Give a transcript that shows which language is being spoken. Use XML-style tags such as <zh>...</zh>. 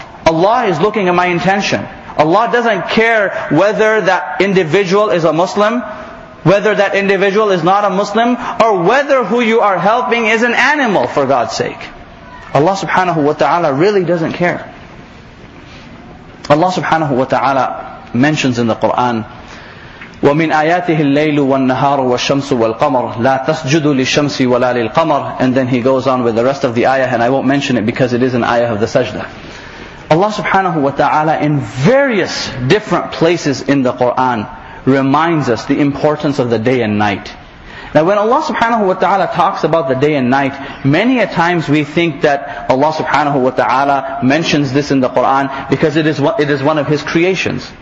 <en>Allah is looking at my intention. Allah doesn't care whether that individual is a Muslim, whether that individual is not a Muslim, or whether who you are helping is an animal, for God's sake. Allah subhanahu wa ta'ala really doesn't care. Allah subhanahu wa ta'ala mentions in the Quran,</en> <ar>وَمِنْ آيَاتِهِ اللَّيْلُ وَالنَّهَارُ وَالشَّمْسُ وَالْقَمَرُ لَا تَسْجُدُ لِلشَّمْسِ وَلَا لِلْقَمَرُ.</ar> <en>And then he goes on with the rest of the ayah, and I won't mention it because it is an ayah of the sajda. Allah subhanahu wa ta'ala in various different places in the Quran reminds us the importance of the day and night. Now when Allah subhanahu wa ta'ala talks about the day and night, many a times we think that Allah subhanahu wa ta'ala mentions this in the Quran because it is one of His creations.</en>